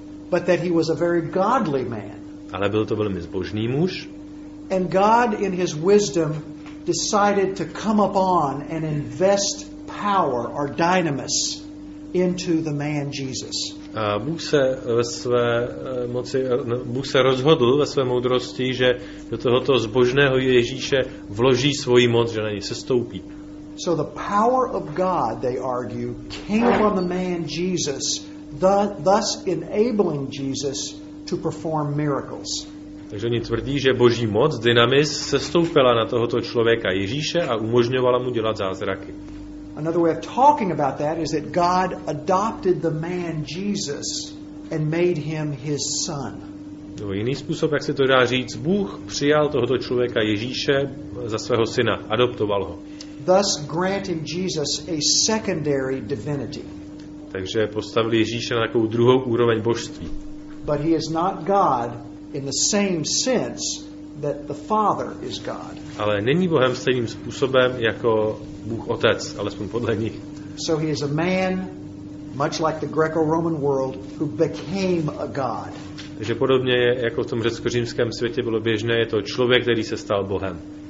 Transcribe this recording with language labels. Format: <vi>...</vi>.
<en>But that he was a very godly man.</en> <cs>Ale byl to velmi zbožný muž.</cs> <en>And God in his wisdom decided to come upon and invest power or dynamis into the man Jesus.</en> <cs>A Bůh se ve své moci, Bůh se rozhodl ve své moudrosti, že do tohoto zbožného Ježíše vloží svoji moc, že na něj sestoupí.</cs> <en>So the power of God, they argue, came upon the man Jesus, thus enabling Jesus to perform miracles.</en> <cs>Takže oni tvrdí, že boží moc, dynamis, sestoupila na tohoto člověka Ježíše a umožňovala mu dělat zázraky.</cs> <en>Another way of talking about that is that God adopted the man Jesus and made him his son.</en> <cs>No, jiný způsob, jak se to dá říct, Bůh přijal tohoto člověka Ježíše za svého syna, adoptoval ho.</cs> <en>Thus granting Jesus a secondary divinity.</en> <cs>Takže postavil Ježíše na takovou druhou úroveň božství.</cs> <en>But he is not God in the same sense that the Father is God.</en> <cs>Ale není Bohem stejným způsobem jako Bůh Otec, alespoň podle nich.</cs> <en>So he is a man, much like the Greco-Roman world, who became a god.</en> <cs>Takže podobně je, jako v tom řecko-římském světě bylo běžné, je to člověk, který se stal Bohem.</cs>